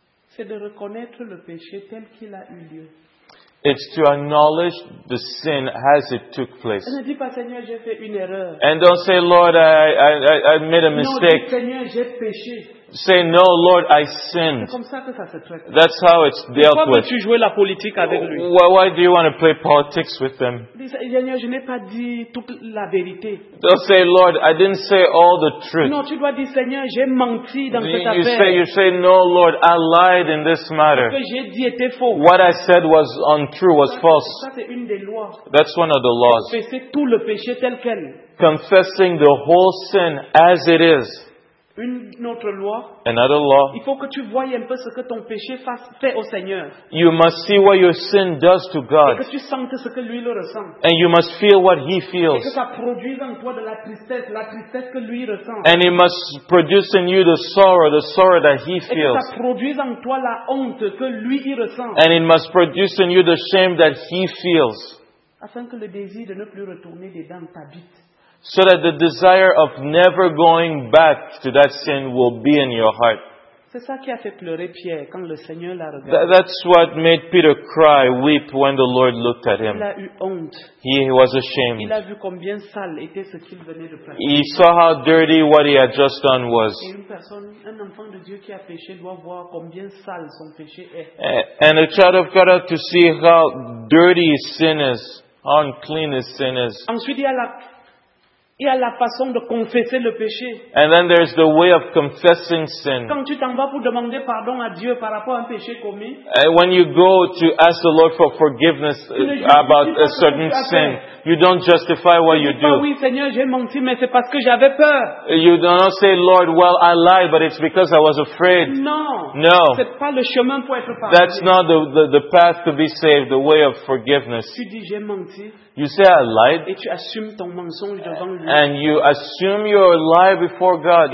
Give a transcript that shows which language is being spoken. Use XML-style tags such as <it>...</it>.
<fr>C'est de reconnaître le péché tel qu'il a eu lieu.</fr> <en>It's to acknowledge the sin as it took place.</en> <fr>Et ne dis pas, Seigneur, j'ai fait une erreur.</fr> <en>And don't say, Lord, I made a mistake.</en> <fr>Non, dis, Seigneur, j'ai péché.</fr> <en>Say, no, Lord, I sinned.</en> <fr>C'est comme ça que ça se traite.</fr> <en>That's how it's dealt with.</en> <fr>Pourquoi veux-tu jouer la politique avec lui?</fr> <en>Why do you want to play politics with them?</en> <fr>Seigneur, je n'ai pas dit toute la vérité.</fr> <en>Don't say, Lord, I didn't say all the truth.</en> <fr>Non, tu dois dire, Seigneur, j'ai menti dans cette affaire.</fr> <en>You say, no, Lord, I lied in this matter.</en> <fr>Ce que j'ai dit était faux.</fr> <en>What I said was untrue, was false.</en> <fr>Ça, c'est une des lois.</fr> <en>That's one of the laws.</en> <fr>Confesser tout le péché tel quel.</fr> <en>Confessing the whole sin as it is.</en> <fr>Une autre loi.</fr> <en>Another law.</en> <fr>Il faut que tu voyes un peu ce que ton péché fait au Seigneur.</fr> <en>You must see what your sin does to God.</en> <fr>Et que tu sentes ce que lui le ressent.</fr> <en>And you must feel what he feels.</en> <fr>Et que ça produise en toi de la tristesse que lui ressent.</fr> <en>And it must produce in you the sorrow that he feels.</en> <fr>Et que ça produise en toi la honte que lui y ressent.</fr> <en>And it must produce in you the shame that he feels.</en> <fr>Afin que le désir de ne plus retourner dedans t'habite.</fr> <en>So that the desire of never going back to that sin will be in your heart.</en> <fr>C'est ça qui a fait pleurer Pierre quand le Seigneur l'a regardé.</fr> <en>That's what made Peter cry, weep when the Lord looked at him.</en> <fr>Il a eu honte.</fr> <en>He was ashamed.</en> <fr>Il a vu combien sale était ce qu'il venait de faire.</fr> <en>He saw how dirty what he had just done was.</en> <fr>Et une personne, un enfant de Dieu qui a péché doit voir combien sale son péché est.</fr> <en>And a child of God to see how dirty his sin is, how unclean his sin is.</en> <fr>Ensuite, il y a la façon de confesser le péché.</fr> <en>And then there's the way of confessing sin.</en> <fr>Quand tu t'en vas pour demander pardon à Dieu par rapport à un péché commis,</fr> <en>and when you go to ask the Lord for forgiveness about a certain sin, you don't justify what you do.</en> <fr>Oui, Seigneur, j'ai menti, mais c'est parce que j'avais peur.</fr> <en>You do not say, Lord, well, I lied, but it's because I was afraid.</en> <fr>No. C'est pas le chemin pour être pardonné.</fr> <en>That's not the path to be saved, the way of forgiveness.</en> <fr>Tu dis, j'ai menti.</fr> <en>You say, I lied.</en> <fr>Et tu assumes ton mensonge devant lui.</fr> <en>And you assume your lie before God.</en>